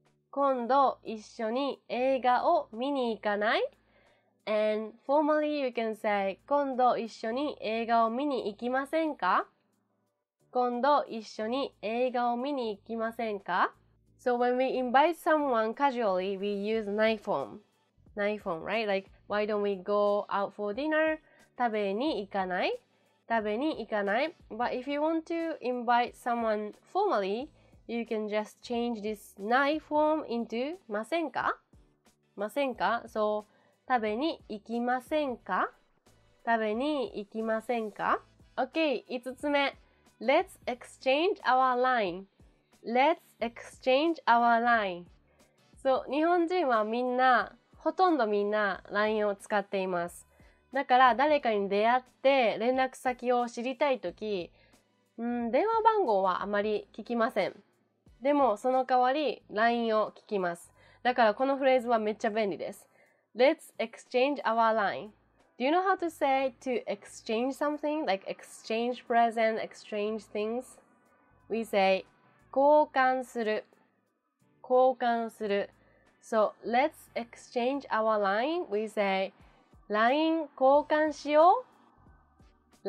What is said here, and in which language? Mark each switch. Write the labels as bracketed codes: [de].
[ja] 今度一緒に映画を見に行かない? [en] And formally you can say [ja] 今度一緒に映画を見に行きませんか? 今度一緒に映画を見に行きませんか? [en] So when we invite someone casually, we use nai form, right? Like, why don't we go out for dinner? [ja] 食べに行かない? [en] But if you want to invite someone formally, you can just change this nai form into masenka? [ja] So, 食べに行きませんか? 食べに行きませんか?Okay, 5つ目. [en] Let's exchange our line. Let's exchange our line. [ja] So, 日本人はほとんどみんな LINE を使っています。だから誰かに出会って連絡先を知りたいとき、 電話番号はあまり聞きません。でもその代わり LINE を聞きます。だからこのフレーズはめっちゃ便利です。 [en] Let's exchange our line. Do you know how to say to exchange something? Like exchange present, exchange things? We say 交換する。 [ja] 交換する。 [en] So, let's exchange our line. We say, LINE [ja] 交換しよう。